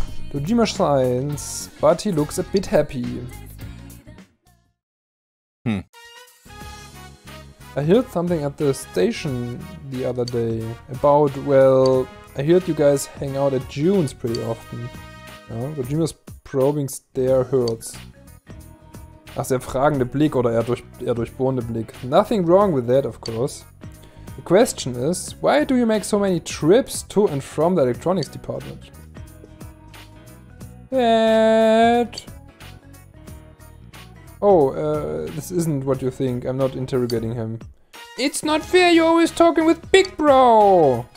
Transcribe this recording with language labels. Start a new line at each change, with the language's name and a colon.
English: Dojima signs, but he looks a bit happy. I heard something at the station the other day about, well, I heard you guys hang out at June's pretty often. Ja, Dojima's probing stare hurts.
German: Ach, sehr fragende Blick oder eher durchbohrende Blick.
English: Nothing wrong with that, of course. The question is, why do you make so many trips to and from the electronics department? That... Oh, this isn't what you think. I'm not interrogating him. It's not fair, you're always talking with Big Bro!